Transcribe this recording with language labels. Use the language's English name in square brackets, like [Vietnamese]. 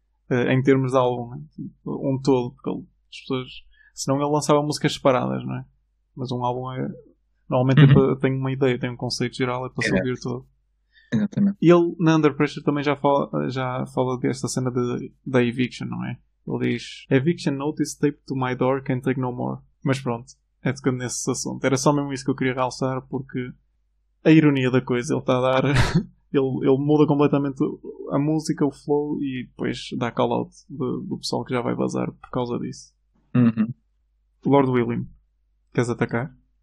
[Portuguese] Em termos de álbum, né? Um todo. Porque as pessoas. Senão ele lançava músicas separadas, não é? Mas um álbum é. Normalmente tem uma ideia, tem um conceito geral, é para se ouvir todo. Exatamente. E ele, na Under Pressure, também já fala desta cena da Eviction, não é? Ele diz: [English] Eviction notice taped to my door, can't take no more. [Portuguese] Mas pronto, é tocando nesse assunto. Era só mesmo isso que eu queria realçar, porque a ironia da coisa, ele está a dar. Ele muda completamente a música, o flow, e depois dá call-out do pessoal que já vai bazar por causa disso. Lord William, queres atacar?